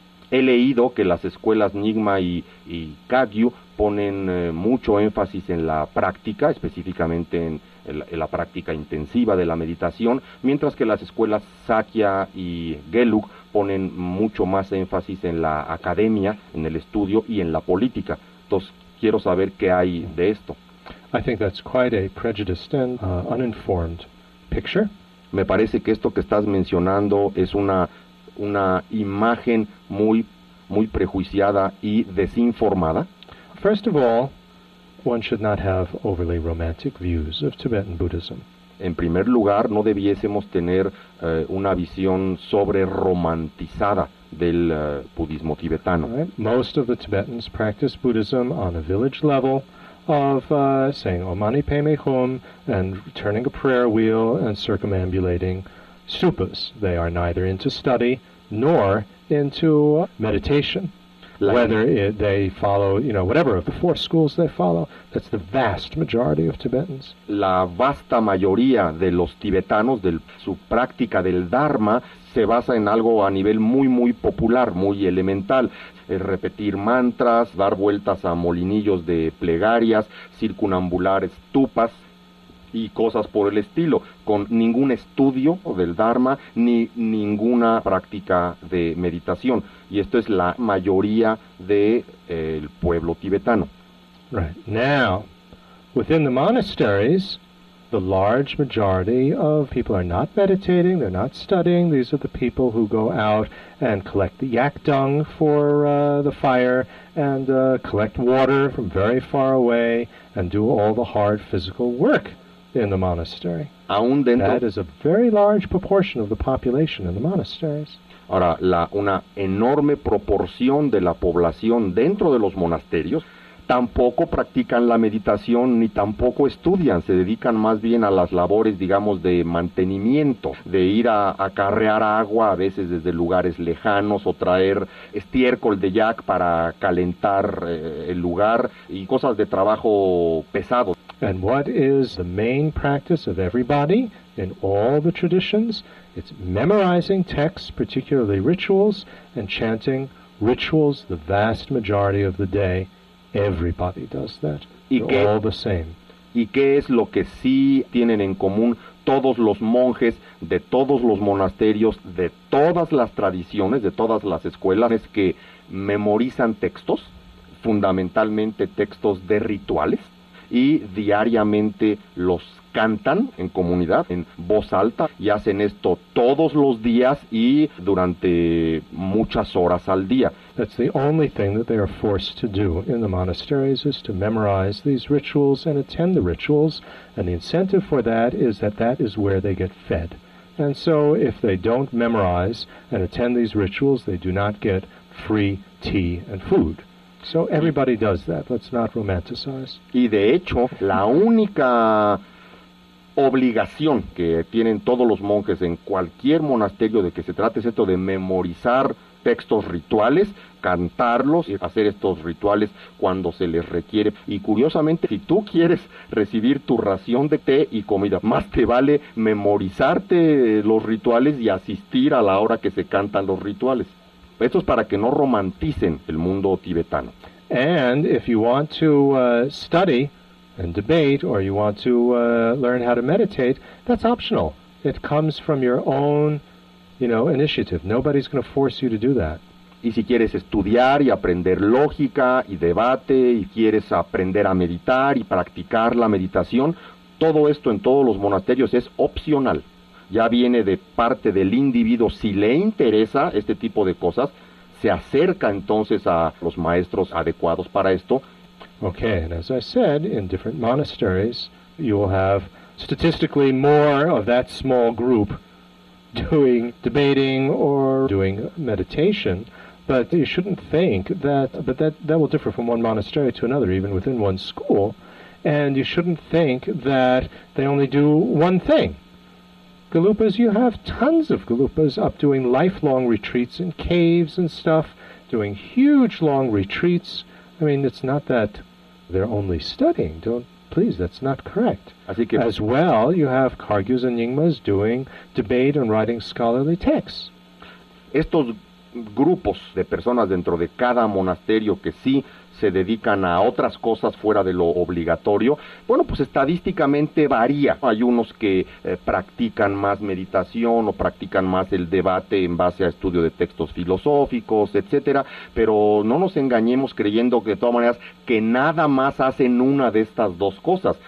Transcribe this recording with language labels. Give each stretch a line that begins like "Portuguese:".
Spanish: He leído que las escuelas Nyingma y Kagyu ponen mucho énfasis en la práctica, específicamente en la práctica intensiva de la meditación, mientras que las escuelas Sakya y Gelug ponen mucho más énfasis en la academia, en el estudio y en la política. Entonces, quiero saber qué hay de esto.
English: I think that's quite a prejudiced and uninformed picture.
Spanish: Me parece que esto que estás mencionando es una imagen muy, muy prejuiciada y desinformada.
English: First of all, one should not have overly romantic views of Tibetan Buddhism.
Spanish: En primer lugar, no debiésemos tener una visión sobre romantizada del budismo tibetano.
English: Right. Most of the Tibetans practice Buddhism on a village level of saying Om Mani Padme Hum and turning a prayer wheel and circumambulating stupas. They are neither into study nor into meditation. whether they follow, you know, whatever of the four schools they follow, that's the vast majority of Tibetans.
Spanish: La vasta mayoría de los tibetanos, de su práctica del Dharma, se basa en algo a nivel muy, muy popular, muy elemental. Es repetir mantras, dar vueltas a molinillos de plegarias, circunambular estupas y cosas por el estilo, con ningún estudio del Dharma ni ninguna práctica de meditación. Y esto es la mayoría del pueblo tibetano.
English: Right. Now, within the monasteries, the large majority of people are not meditating, they're not studying. These are the people who go out and collect the yak dung for the fire and collect water from very far away and do all the hard physical work in the monastery.
Spanish: Aún dentro,
English: that is a very large proportion of the population in the monasteries.
Spanish: Ahora, una enorme proporción de la población dentro de los monasterios tampoco practican la meditación ni tampoco estudian, se dedican más bien a las labores, digamos, de mantenimiento, de ir a acarrear agua, a veces desde lugares lejanos, o traer estiércol de yak para calentar el lugar, y cosas de trabajo pesado.
English: And what is the main practice of everybody in all the traditions? It's memorizing texts, particularly rituals, and chanting rituals the vast majority of the day. Everybody does that. They're all the same.
Spanish: ¿Y qué es lo que sí tienen en común todos los monjes de todos los monasterios, de todas las tradiciones, de todas las escuelas? Es que memorizan textos, fundamentalmente textos de rituales, y diariamente los cantan en comunidad, en voz alta, y hacen esto todos los días y durante muchas horas al día.
English: That's the only thing that they are forced to do in the monasteries, is to memorize these rituals and attend the rituals, and the incentive for that is that that is where they get fed. And so if they don't memorize and attend these rituals, they do not get free tea and food. So everybody does that. Let's not romanticize.
Spanish: Y de hecho, la única obligación que tienen todos los monjes en cualquier monasterio de que se trate es esto de memorizar textos rituales, cantarlos y hacer estos rituales cuando se les requiere. Y curiosamente, si tú quieres recibir tu ración de té y comida, más te vale memorizarte los rituales y asistir a la hora que se cantan los rituales. Esto es para que no romanticen el mundo tibetano.
English: And if you want to study and debate, or you want to learn how to meditate, that's optional. It comes from your own, you know, initiative. Nobody's going to force you to do that.
Spanish: Y si quieres estudiar y aprender lógica y debate, y quieres aprender a meditar y practicar la meditación, todo esto en todos los monasterios es opcional. Ya viene de parte del individuo. Si le interesa este tipo de cosas, se acerca entonces a los maestros adecuados para esto.
English: Okay, and as I said, in different monasteries, you will have statistically more of that small group doing debating or doing meditation, but you shouldn't think that will differ from one monastery to another, even within one school, and you shouldn't think that they only do one thing. Galupas, you have tons of Galupas up doing lifelong retreats in caves and stuff, doing huge long retreats. I mean, it's not that they're only studying. That's not correct.
Spanish: Así que,
English: as well, you have Kargyus and Nyingmas doing debate and writing scholarly texts.
Spanish: Estos grupos de personas dentro de cada monasterio que sí se dedican a otras cosas fuera de lo obligatorio, bueno, pues estadísticamente varía. Hay unos que practican más meditación o practican más el debate en base a estudio de textos filosóficos, etcétera, pero no nos engañemos creyendo que de todas maneras que nada más hacen una de estas dos cosas.